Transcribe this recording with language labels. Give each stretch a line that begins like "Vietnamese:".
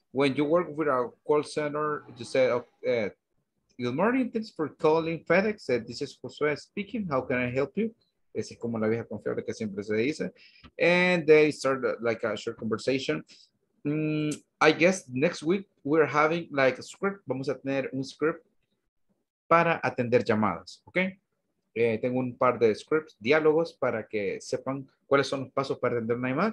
English: When you work with a call center, you say, good morning, thanks for calling FedEx. This is Josué speaking. How can I help you?
Spanish: Es como la vieja confiable que siempre se dice.
English: And they start like a short conversation. I guess next week we're having like a script.
Spanish: Vamos a tener un script para atender llamadas, ¿ok? Tengo un par de scripts, diálogos, para que sepan cuáles son los pasos para atender una llamada.